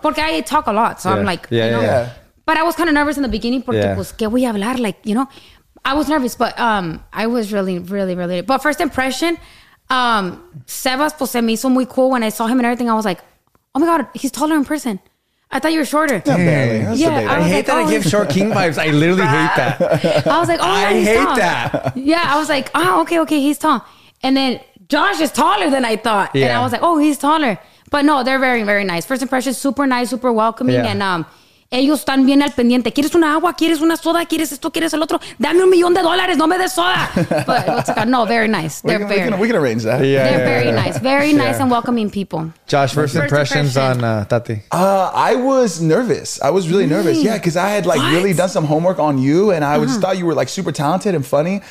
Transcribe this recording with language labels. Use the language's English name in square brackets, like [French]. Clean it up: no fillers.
[English] Porque I talk a lot, so I'm like, yeah, you know? Yeah. But I was kind of nervous in the beginning [Spanish] porque pues que voy a hablar, [English] like, you know, I was nervous, but I was really really really but first impression, Sebas, [Spanish] pues, se me hizo muy cool [English] when I saw him and everything. I was like, oh my God, he's taller in person. I thought you were shorter. Yeah, I hate that I give short king vibes. I literally hate that. I was like, oh, Yeah, I was like, oh, okay, okay, he's tall. And then Josh is taller than I thought. Yeah. And I was like, oh, he's taller. But no, they're very, very nice. First impression, super nice, super welcoming. [Spanish] Yeah. And ellos están bien al pendiente. ¿Quieres una agua? ¿Quieres una soda? ¿Quieres esto? ¿Quieres el otro? Dame $1,000,000. No me des soda. [English] But it's like, no, very nice. They're very nice. We can arrange that. Yeah, they're very nice. Very nice and welcoming people. Josh, first impressions on Tati. I was nervous. I was really nervous. Yeah, because I had like really done some homework on you and I just thought you were like super talented and funny.